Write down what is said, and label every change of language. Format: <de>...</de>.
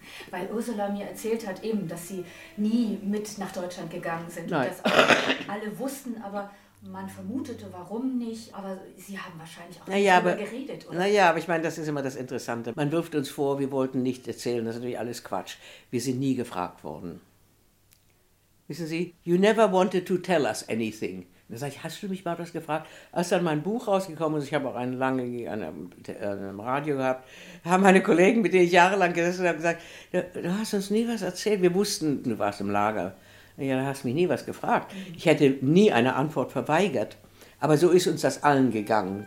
<de>Weil Ursula mir erzählt hat eben, dass sie nie mit nach Deutschland gegangen sind. Nein. Und dass alle wussten, aber man vermutete, warum nicht. Aber sie haben wahrscheinlich auch nicht darüber geredet. Naja, aber ich meine, das ist immer das Interessante. Man wirft uns vor, wir wollten nicht erzählen. Das ist natürlich alles Quatsch. Wir sind nie gefragt worden. Wissen Sie,</de> <en>you never wanted to tell us anything.</en> <de>Da sage ich, hast du mich mal was gefragt? Als dann mein Buch rausgekommen ist, ich habe auch einen lange an einem Radio gehabt, haben meine Kollegen, mit denen ich jahrelang gesessen habe, gesagt, du hast uns nie was erzählt. Wir wussten, du warst im Lager. Ja, da hast du mich nie was gefragt. Ich hätte nie eine Antwort verweigert. Aber so ist uns das allen gegangen.</de>